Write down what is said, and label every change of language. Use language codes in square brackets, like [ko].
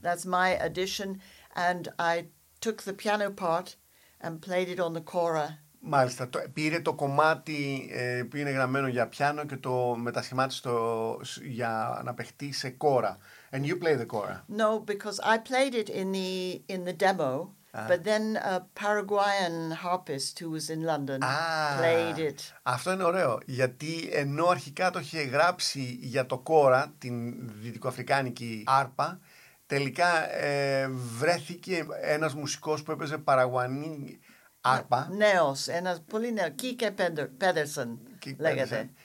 [en] That's my addition, and I took the piano part and played it on the cora. [el] Μάλιστα, πήρε το κομμάτι που είναι γραμμένο για πιάνο και το μετασχημάτισε για να παιχτεί σε κόρα. [en] And you play the κόρα. No, because I played it in the demo, but then a Paraguayan harpist who was in London played it. [el] Αυτό είναι ωραίο, γιατί ενώ αρχικά το είχε γράψει για το κόρα, την δυτικοαφρικάνικη άρπα, τελικά βρέθηκε ένας μουσικός που έπαιζε παραγουανή άρπα. Νέος, ένας πολύ νέος, Κίκε Πέντερσον λέγεται.